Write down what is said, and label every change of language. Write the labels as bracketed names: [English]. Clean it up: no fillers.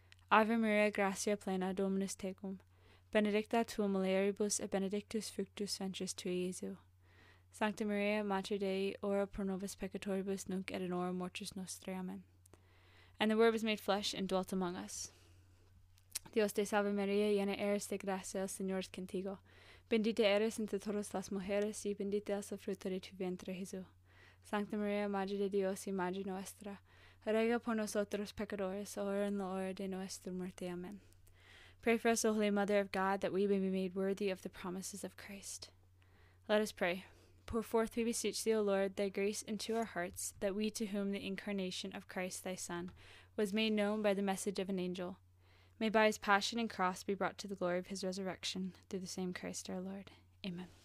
[Latin] Ave Maria, gratia plena, Dominus tecum. Benedicta tu mulieribus, et benedictus fructus ventris tui, Iesus. Sancta Maria, Mater Dei, ora pro nobis peccatoribus, nunc et in hora mortis nostrae. Amen. [English] And the Word was made flesh and dwelt among us. [Spanish] Dios te salve Maria, llena eres de gracia, el Señor es contigo. Bendita eres entre todas las mujeres, y bendito es el fruto de tu vientre, Jesús. Sancta Maria, Madre de Dios y Madre nuestra, ruega por nosotros pecadores, ahora en la hora de nuestra muerte. Amen. [English] Pray for us, O Holy Mother of God, that we may be made worthy of the promises of Christ. Let us pray. Pour forth, we beseech thee, O Lord, thy grace into our hearts, that we to whom the incarnation of Christ thy Son was made known by the message of an angel, may by his passion and cross be brought to the glory of his resurrection through the same Christ our Lord. Amen.